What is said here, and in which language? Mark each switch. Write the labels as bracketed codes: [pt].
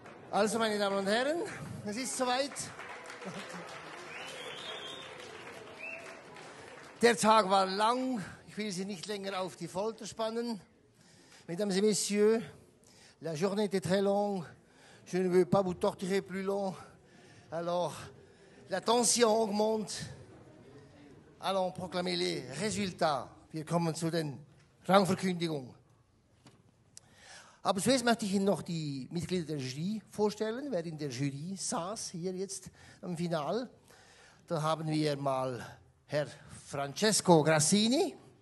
[de] Also, meine Damen und Herren, es ist soweit. Der Tag war lang. Ich will Sie nicht länger auf die Folter spannen. [fr] Mesdames et Messieurs, la journée était très longue. Je ne veux pas vous torturer plus long. Alors, la tension augmente. Allons proclamer les résultats. [de] Wir kommen zu den Rangverkündigungen. Aber zuerst möchte ich Ihnen noch die Mitglieder der Jury vorstellen, wer in der Jury saß, hier jetzt am Final. Da haben wir mal Herr Francesco Grassini.